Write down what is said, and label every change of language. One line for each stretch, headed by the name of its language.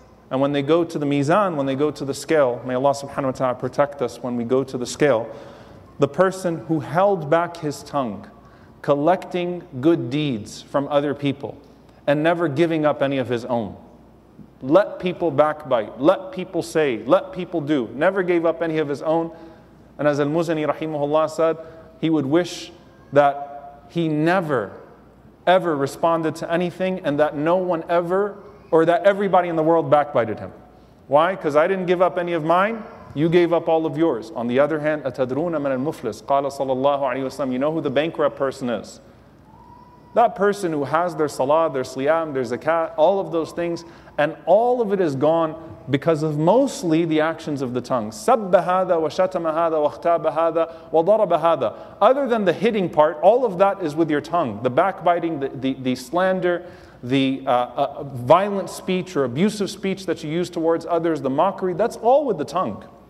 English: And when they go to the mizan, when they go to the scale, may Allah subhanahu wa ta'ala protect us when we go to the scale, the person who held back his tongue, collecting good deeds from other people, and never giving up any of his own, let people backbite, let people say, let people do, never gave up any of his own. And as Al-Muzani rahimahullah said, he would wish that he never, ever responded to anything, and that no one ever, or that everybody in the world backbited him. Why? Because I didn't give up any of mine, you gave up all of yours. On the other hand,
Arabic: أَتَدْرُونَ مَنَ الْمُفْلِسِ قَالَ صَلَى اللَّهُ عَلَيْهِ وَسَلَّمَ.
English: You know who the bankrupt person is. That person who has their salah, their siyam, their zakat, all of those things, and all of it is gone because of mostly the actions of the tongue.
Arabic: سَبَّ هَذَا وَشَتَمَ هَذَا وَاخْتَابَ هَذَا وَضَرَبَ هَذَا.
English: Other than the hitting part, all of that is with your tongue. The backbiting, the slander, the violent speech or abusive speech that you use towards others, the mockery, that's all with the tongue.